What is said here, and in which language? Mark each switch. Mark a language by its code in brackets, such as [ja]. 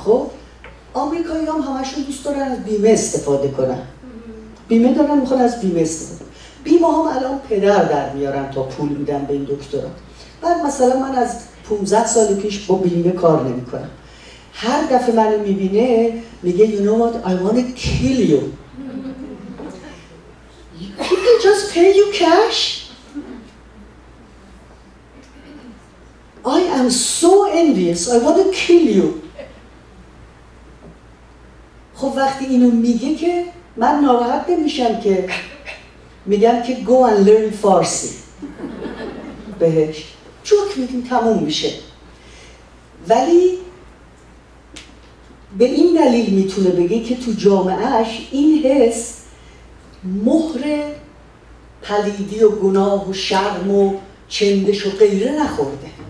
[fa] خب آمریکایی هم همشون دوست دارن از بیمه استفاده کنن، بیمه دارن، میخوان از بیمه استفاده کنن. بیمه هم الان پدر در میارن تا پول میدن به این دکترا. بعد مثلا من از 15 سال پیش با بیمه کار نمی کنم. هر دفعه من رو میبینه میگه [en] you know what, I wanna kill you. Could they just pay you cash? I am so envious, I wanna kill you. [fa] خب وقتی اینو میگه که من ناراحت نمیشم، که میگم که [en] go and learn [fa] فارسی بهش. چوک میدیم تموم میشه. ولی به این دلیل میتونه بگه که تو جامعهش این حس مهر پلیدی و گناه و شرم و چندش و غیره نخورده.